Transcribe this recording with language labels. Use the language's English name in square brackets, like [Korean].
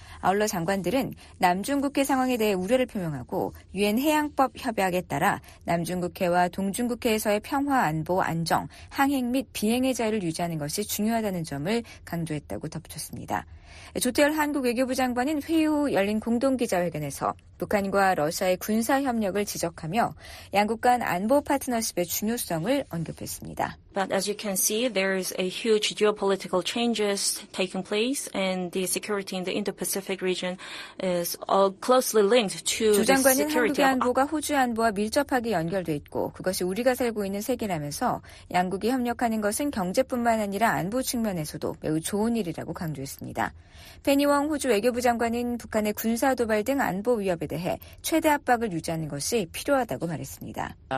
[Korean] 아울러 장관들은 남중국해 상황에 대해 우려를 표명하고 유엔 해양법 협약에 따라 남중국해와 동중국해에서의 평화, 안보, 안정, 항행 및 비행의 자유를 유지하는 것이 중요하다는 점을 강조했다고 덧붙였습니다. 조태열 한국 외교부 장관은 회의 후 열린 공동기자회견에서 북한과 러시아의 군사협력을 지적하며 양국 간 안보 파트너십의 중요성을 언급했습니다. [English] But as you can see, there is a huge geopolitical changes taking place and the security in the Indo-Pacific region is all closely linked to the security. [Korean] 조 장관은 한국의 안보가 호주의 안보와 밀접하게 연결돼 있고 그것이 우리가 살고 있는 세계라면서 양국이 협력하는 것은 경제뿐만 아니라 안보 측면에서도 매우 좋은 일이라고 강조했습니다. 페니 웡 호주 외교부 장관은 북한의 군사 도발 등 안보 위협에 대해 최대 압박을 유지하는 것이 필요하다고 말했습니다.